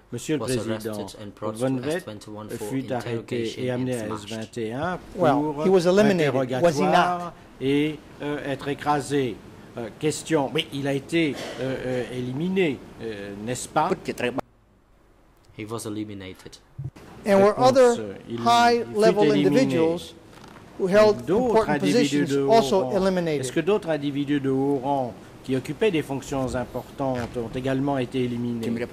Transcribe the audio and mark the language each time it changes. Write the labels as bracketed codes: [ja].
[fr] Monsieur le Président, Von Vett fut arrêté et amené à S21 pour [en] he was eliminated, was he not? [fr] Et être écrasé. Question, mais il a été éliminé, n'est-ce pas? [en] He was eliminated. And were other high-level individuals who held important positions also eliminated? [fr] Est-ce que d'autres individus de haut rang qui occupaient des fonctions importantes ont également été éliminés?